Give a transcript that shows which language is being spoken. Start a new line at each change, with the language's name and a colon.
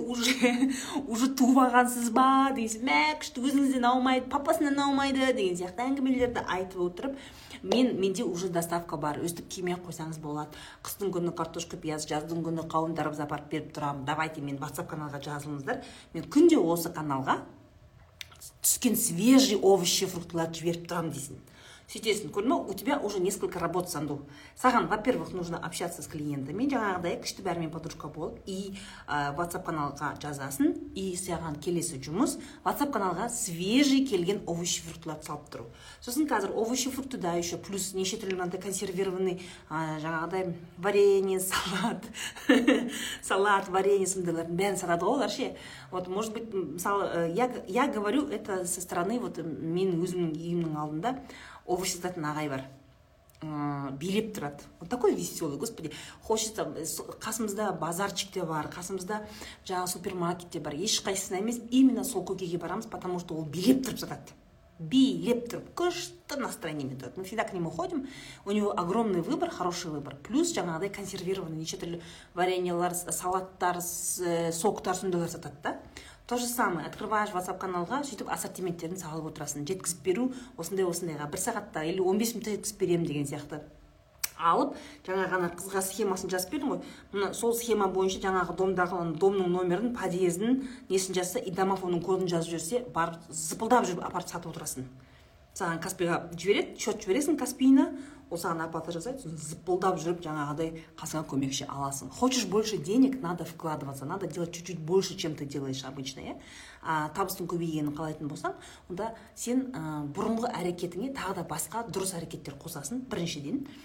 Kazakh: Уже туғансыз ба? Дейсіз, мә, күшті, өзіңізден аумайды, папасынан аумайды деген сияқты әңгімелерді айтып отырып, менде уже доставка бар. Өстіп кемей қойсаңыз болады. Қыстың күні картошка, пияз, жаздың күні қауын дарып запарып беріп тұрамын. Давайте мен WhatsApp каналға жазылыңыздар. Мен күнде осы каналға түскен
Russian: свежий овощи,
Kazakh: фруктыларды жіберіп тұрамын дейсің. Сөйтесің, көрме,
Russian: у тебя уже несколько работ, Санду.
Kazakh: Саған,
Russian: во-первых, нужно общаться с клиентами,
Kazakh: жаңағыдай күшті бәрімен подружка болып, и WhatsApp каналға жазасын, и саған келесі жұмыс, WhatsApp каналға свежий келген овощи фруктыларды салып тұру. Сосын қазір овощи фрукты да
Russian: еще плюс
Kazakh: неше түрлі мынандай консервированный жаңағыдай варенье, салат, салат, варенье сондайлардың бәрін сатады ғой олар ше.
Russian: Вот, может быть,
Kazakh: мысалы,
Russian: я говорю это со стороны,
Kazakh: вот мен өзімнің үйімнің алдында овощи сататын ағай бар, билеп тұрады.
Russian: Вот такой веселый, господи, хочется,
Kazakh: қасымызда базарчикте бар, қасымызда жаңа супермаркетте бар, ешқайсысына емес, именно сол көкеге барамыз,
Russian: потому что
Kazakh: ол билеп тұрып сатады. Билеп тұрып, күшті настроениемен тұрады.
Russian: Мы всегда к нему ходим, у него огромный выбор, хороший выбор, плюс
Kazakh: жаңағыдай консервированный, неше түрлі вареньелар, салаттар, соктар, сондайлар сатады.
Russian: То же самое, открываешь
Kazakh: WhatsApp каналға, сөйтіп ассортименттерін салып отырасың. Жеткізіп беру осындай-осындайға, бір сағатта, 15 минутта жеткізіп беремін деген сияқты. Алып, жаңағы қызға схемасын жазып бердім ғой. Мына сол схема бойынша жаңағы домдағы домның номерін, подъездің несін жазса, и домофонның кодын жазып жүрсе, барып зыпылдап жүріп апарып сатып отырасың. саған Каспиға жібереді, счет жібересің Каспиына, ол саған оплата жасайды, сосын зыпылдап жүріп жаңағыдай қасыңа көмекші аласың.
Russian: Хочешь больше денег, надо вкладываться, надо делать чуть-чуть больше, чем ты делаешь обычно, иә.
Kazakh: А табыстың көбейгенін қалайтын болсаң, онда сен бұрынғы әрекетіңе тағы да басқа дұрыс әрекеттер қосасың біріншіден.